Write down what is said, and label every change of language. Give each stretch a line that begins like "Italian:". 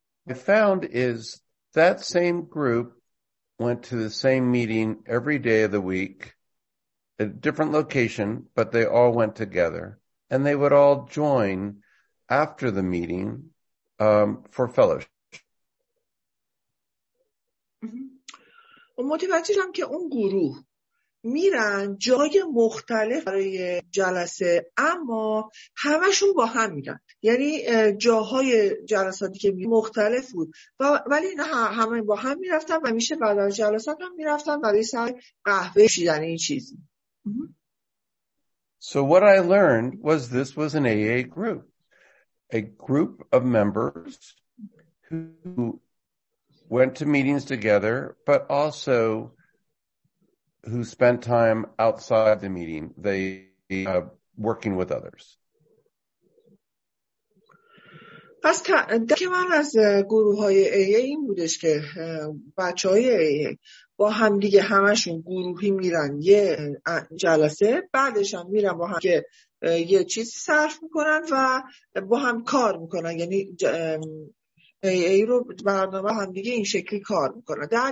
English: I found is that same group went to the same meeting every day of the week, a different location, but they all went together, and they would all join after the meeting for fellowship.
Persian: متوجه شدم که اون گروه میرن جای مختلف برای جلسه، اما همشون با هم میرن، یعنی جاهای جلساتی که مختلف بود ولی اینا همه با هم میرفتن و میشه بعد از جلسات هم میرفتن برای سر قهوه شیدن این چیزی.
English: So what I learned was this was an AA group, a group of members who went to meetings together but also who spent time outside the meeting, they working with others.
Persian: پس درک من از گروه های AA این بودش که بچه های AA با هم دیگه همشون گروهی میرن یه جلسه، بعدش هم میرن با هم که یه چیز صرف میکنن و با هم کار میکنن، یعنی AA رو برنامه هم دیگه این شکلی کار میکنن.